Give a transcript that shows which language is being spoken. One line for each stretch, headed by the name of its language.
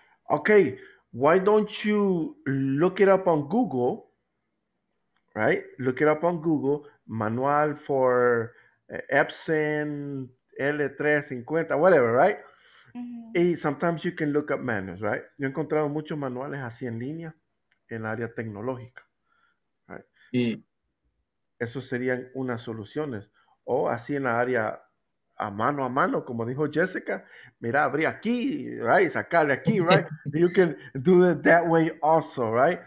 English: Okay, why don't you look it up on Google? Right? Look it up on Google. Manual for Epson L350, whatever, right? Mm-hmm. And sometimes you can look up manuals, right?
Spanish: Yo he encontrado muchos manuales así en línea en la área tecnológica,
English: right?
Spanish: Y eso serían unas soluciones. O así en la área a mano, como dijo Jessica, mira, abrí aquí,
English: right?
Spanish: Sacarle aquí,
English: right? You can do it that way also, right?